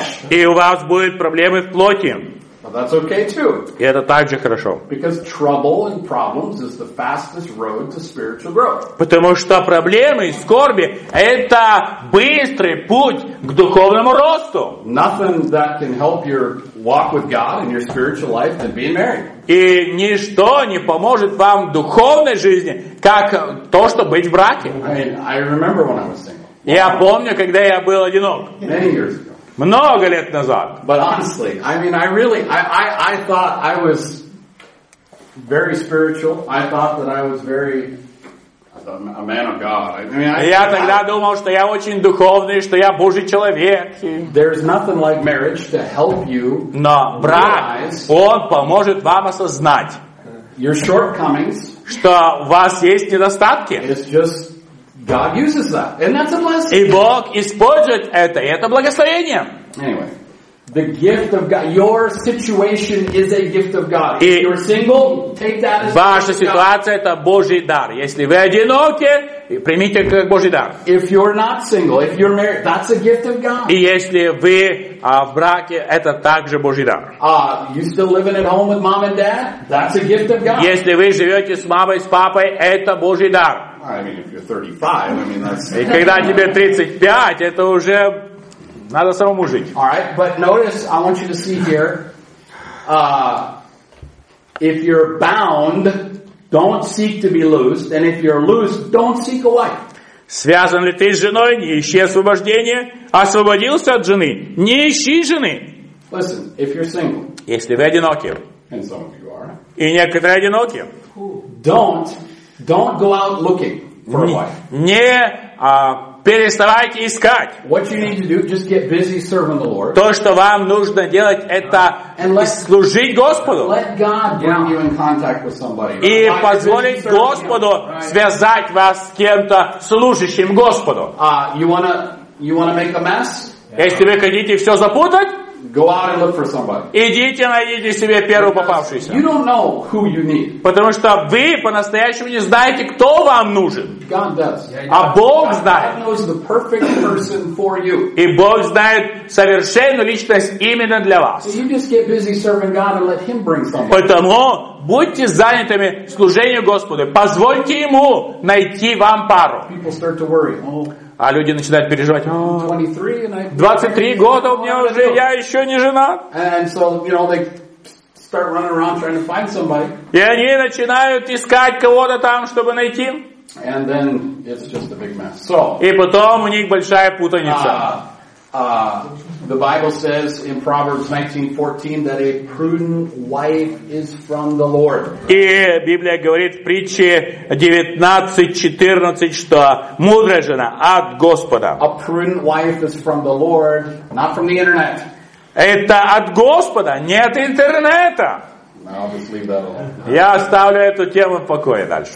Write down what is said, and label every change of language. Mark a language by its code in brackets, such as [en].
[ru] И у вас будут проблемы в плоти. [en] Well, that's okay too. [ru] И это также хорошо. [en] Because trouble and problems is the fastest road to spiritual growth. [ru] Потому что проблемы и скорби — это быстрый путь к духовному росту. [en] Nothing that can help your walk with God in your spiritual life than being married. [ru] И ничто не поможет вам в духовной жизни, как то, что быть в браке. [en] I remember when I was single. [ru] Я помню, когда я был одинок. [en] Many years ago. [ru] Много лет назад. [en] But honestly, I mean, I really, I thought I was very spiritual. I thought that I was very a man of God. [ru] Я тогда думал, что я очень духовный, что я Божий человек. [en] There's nothing like marriage to help you. [ru] Но брак, он поможет вам осознать [en] your shortcomings. [ru] Что у вас есть недостатки. [en] It's just God uses that, and that's a blessing. [ru] И Бог использует это, и это благословение. [en] Anyway, the gift of God. Your situation is a gift of God. If you're single, take that as a gift of God. [ru] Ваша ситуация — это Божий дар. Если вы одиноки, примите как Божий дар. [en] If you're not single, if you're married, that's a gift of God. [ru] И если вы в браке, это также Божий дар. [en] You still living at home with mom and dad? That's a gift of God. [ru] Если вы живете с мамой, с папой, это Божий дар. [en] I mean, if you're 35, I mean, that's... [ru] это уже надо самому жить. [en] All right, but notice, I want you to see here, if you're bound, don't seek to be loosed, and if you're loose, don't seek a wife. [ru] Связан ли ты с женой? Не ищи освобождения. Освободился от жены? Не ищи жены. [en] Listen, if you're single. [ru] Если вы одиноки. [en] And some of you are. [ru] И некоторые одиноки. [en] Don't go out looking for a wife. [ru] Не переставайте искать. [en] What you need to do, just get busy serving the Lord. [ru] То, что вам нужно делать, это служить Господу. [en] Let God bring you in contact with somebody. [ru] И позволить Господу связать вас с кем-то, служащим Господу. [en] You wanna make a mess? [ru] Если вы хотите все запутать, [en] go out and look for somebody. [ru] Идите, найдите себе первого попавшегося. [en] You don't know who you need. [ru] Потому что вы по-настоящему не знаете, кто вам нужен. [en] God does. [ru] А Бог знает. [en] God knows the perfect person for you. [ru] И Бог знает совершенную личность именно для вас. [en] So you just get busy serving God and let Him bring somebody. [ru] Поэтому будьте занятыми служением Господу. Позвольте Ему найти вам пару. [en] People start to worry. [ru] А люди начинают переживать. 23 года у меня уже, я еще не женат. И они начинают искать кого-то там, чтобы найти. И потом у них большая путаница. [en] The Bible says in Proverbs 19:14 that a prudent wife is from the Lord. [ru] И Библия говорит в притче 19:14, что мудрая жена от Господа. [en] A prudent wife is from the Lord, not from the internet. [ru] Это от Господа, не от интернета. [en] I'll just leave that alone. [ru] Я оставлю эту тему в покое дальше.